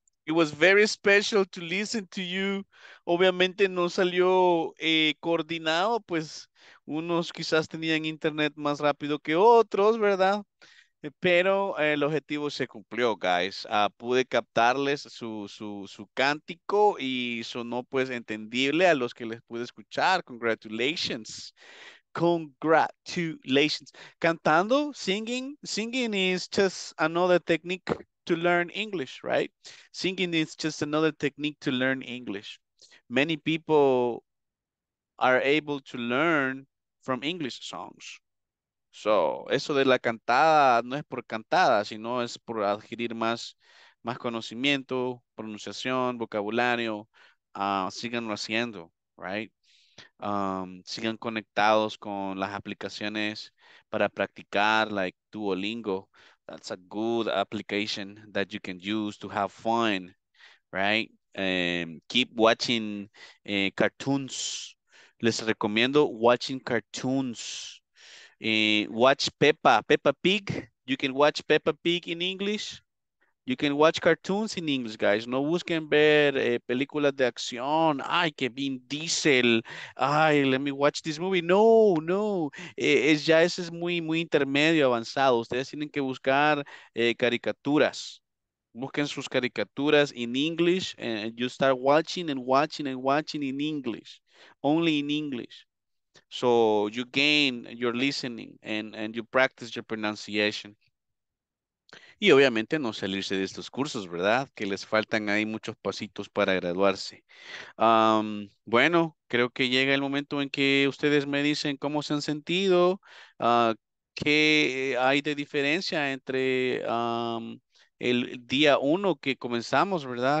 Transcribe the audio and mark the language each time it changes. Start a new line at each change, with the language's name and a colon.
English: It was very special to listen to you.
Spanish: Obviamente no salió coordinado, pues unos quizás tenían internet más rápido que otros, ¿verdad? Pero el objetivo se cumplió, guys. Pude captarles su cántico y sonó pues entendible a los que les pude escuchar.
English: Congratulations. Congratulations.
Spanish: Cantando,
English: singing is just another technique to learn English, right? Singing is just another technique to learn English. Many people are able to learn from English songs.
Spanish: So, eso de la cantada no es por cantada, sino es por adquirir más conocimiento, pronunciación, vocabulario. Síganlo haciendo,
English: right?
Spanish: Sigan conectados con las aplicaciones para practicar,
English: like Duolingo. That's a good application that you can use to have fun, right? Keep watching cartoons.
Spanish: Les recomiendo
English: watching cartoons. Watch Peppa Pig. You can watch Peppa Pig in English. You can watch cartoons in English, guys.
Spanish: No busquen ver películas de acción. Ay, que Vin Diesel. Ay,
English: let me watch this movie.
Spanish: No. Ese es muy, muy intermedio, avanzado. Ustedes tienen que buscar caricaturas. Busquen sus caricaturas
English: in English. And you start watching in English. Only in English. So you gain your listening and you practice your pronunciation.
Spanish: Y obviamente no salirse de estos cursos, ¿verdad? Que les faltan ahí muchos pasitos para graduarse. Bueno, creo que llega el momento en que ustedes me dicen cómo se han sentido, qué hay de diferencia entre el día uno que comenzamos, ¿verdad?